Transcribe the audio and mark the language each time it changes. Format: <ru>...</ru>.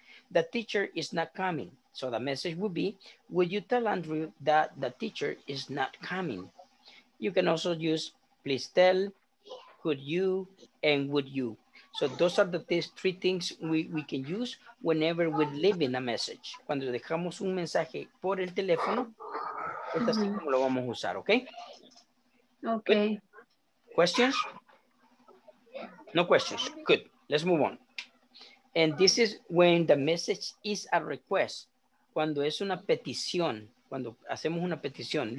<en>The teacher is not coming. So the message would be, would you tell Andrew that the teacher is not coming? You can also use, please tell, could you, and would you. So those are the three things we can use whenever we're leaving a message.</en> <es>Cuando dejamos un mensaje por el teléfono, es así como lo vamos a usar, ¿okay?</es> <en>Okay. Good. Questions? No questions. Good. Let's move on. And this is when the message is a request.</en> <es>Cuando es una petición, cuando hacemos una petición.</es>